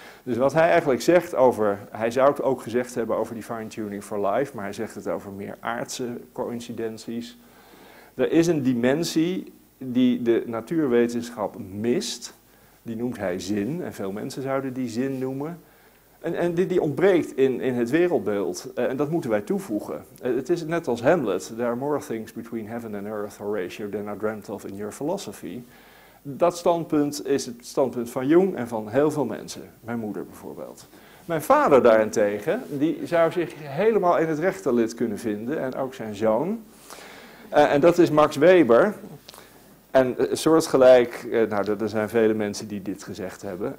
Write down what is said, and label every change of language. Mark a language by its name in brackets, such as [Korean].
[Dutch] Dus wat hij eigenlijk zegt over, hij zou het ook gezegd hebben over die [English] fine-tuning for life, [Dutch] maar hij zegt het over meer aardse coïncidenties. Er is een dimensie die de natuurwetenschap mist. Die noemt hij zin, en veel mensen zouden die zin noemen. En die ontbreekt in het wereldbeeld. En dat moeten wij toevoegen. Het is net als Hamlet. [English] There are more things between heaven and earth, Horatio, than I dreamt of in your philosophy. [Dutch] Dat standpunt is het standpunt van Jung en van heel veel mensen. Mijn moeder bijvoorbeeld. Mijn vader daarentegen, die zou zich helemaal in het rechterlid kunnen vinden. En ook zijn zoon. En dat is Max Weber. En soortgelijk, nou, er zijn vele mensen die dit gezegd hebben.